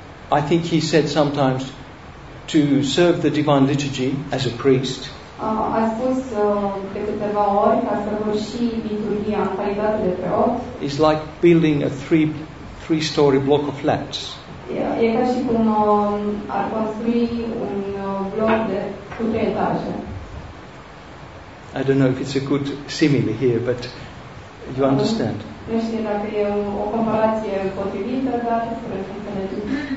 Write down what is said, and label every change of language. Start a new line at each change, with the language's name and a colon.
English: I think he said sometimes to serve the Divine Liturgy as a priest.
Romanian: A spus de câteva ori ca să vor și liturghia în calitate de preot.
English: It's like building a three-story block of flats.
Romanian: E ca și cum ar construi un bloc de cu trei etaje.
English: I don't know if it's a good simile here, but you understand.
Romanian: Nu știu dacă e o comparație potrivită, dar înțelegeți.